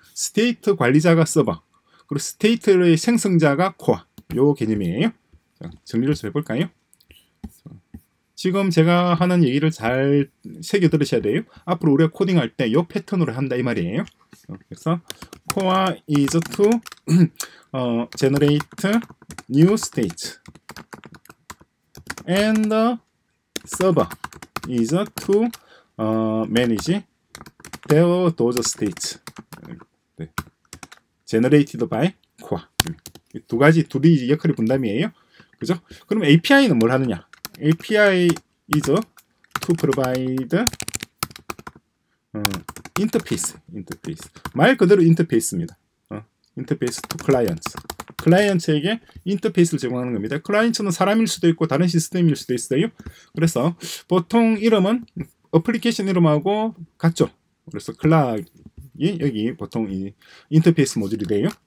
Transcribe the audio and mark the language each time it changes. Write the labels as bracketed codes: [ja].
[ko] state 관리자가 서버, 그리고 state의 생성자가 코어, 요 개념이에요. 자, 정리를 좀 해볼까요? 지금 제가 하는 얘기를 잘 새겨 들으셔야 돼요. 앞으로 우리가 코딩할 때 요 패턴으로 한다 이 말이에요. 그래서 코어 [en] is to generate new state and server is to manage those states generated by core. [ko] 두 가지 둘이 역할이 분담이에요. 그죠? 그럼 API는 뭘 하느냐? [en] API is to provide interface. [ko] 말 그대로 interface입니다. [en] interface to clients. [ko] 클라이언트에게 interface를 제공하는 겁니다. 클라이언트는 사람일 수도 있고 다른 시스템일 수도 있어요. 그래서 보통 이름은 어플리케이션 이름하고 같죠? 그래서 클락이 여기 보통 이 interface 모듈이 돼요.